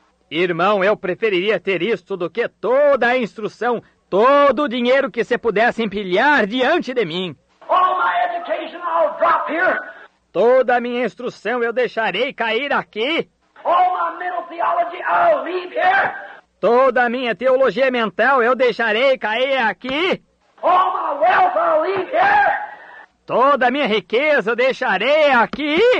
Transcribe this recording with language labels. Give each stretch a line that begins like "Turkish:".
Portuguese: Irmão, eu preferiria ter isto do que toda a instrução, todo o dinheiro que se pudesse empilhar diante de mim.
English: All my education I'll drop here.
Portuguese: Toda a minha instrução eu deixarei cair aqui.
English: All my mental theology I'll leave here.
Portuguese: Toda a minha teologia mental eu deixarei cair aqui.
English: All my wealth I'll leave here.
Portuguese: Toda a minha riqueza eu deixarei aqui.